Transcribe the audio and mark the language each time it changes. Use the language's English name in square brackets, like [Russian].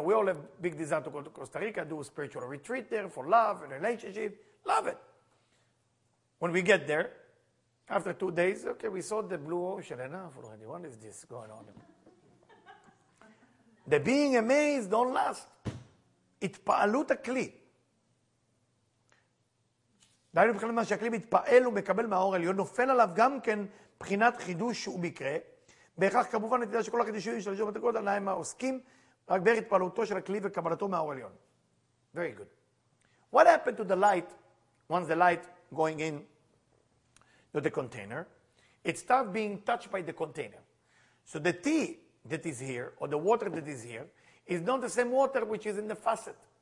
[English] We all have big desire to go to Costa Rica, do a spiritual retreat there for love and relationship. Love it. When we get there, after 2 days, okay, we saw the blue ocean enough already. What is this going on? The being amazed don't last. [Hebrew] It pa'alut ha'kli. דיינו בכלל מה שהכלי מתפעל ומקבל מהאור עליון, נופל עליו גם כן בחינת חידוש ומקרה. בהכרח כמובן, אתה יודע שכל החידושים של ג'ובת הקודל, אני מה עוסקים, רק בערך התפעלותו של הכלי וקבלתו מהאור עליון. [English] Very good. What happened to the light, once the light going in to the container, it start being touched by the container. So the tea that is here, or the water that is here, is not the same water which is in the faucet.